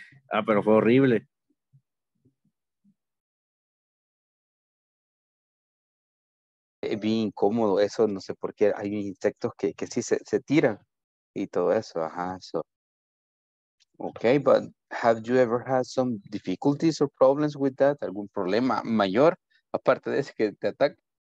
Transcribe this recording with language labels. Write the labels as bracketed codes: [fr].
[es] Ah, pero fue horrible. Bien incómodo, eso no sé por qué. Hay insectos que sí se tiran y todo eso. Ajá, eso. [en] Okay, but have you ever had some difficulties or problems with that? [es] ¿Algún problema mayor aparte de ese que te ataca?